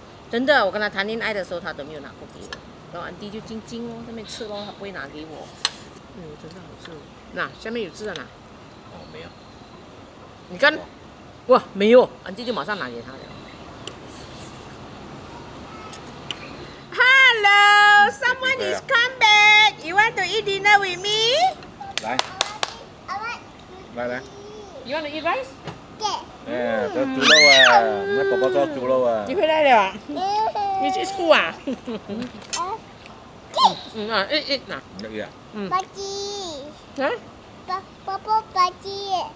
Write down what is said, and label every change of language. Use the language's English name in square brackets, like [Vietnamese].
[Chinese] 真的，我跟他谈恋爱的时候，他都没有拿过给我。然后安迪就静静哦，在那边吃喽，他不会拿给我。哎呦，真的好吃哦。那下面有字了哪？哦，没有。你看，哇，没有，安迪就马上拿给他了。 [English] Hello, someone is come back. You want to eat dinner with me? [Chinese] 来。来来。 [English] You want to eat rice? [Chinese] 对。哎，这猪肉啊，那宝宝叫猪肉啊。你回来了啊？你去吃啊？啊，一一哪？哪个呀？巴鸡。啊？宝宝巴鸡。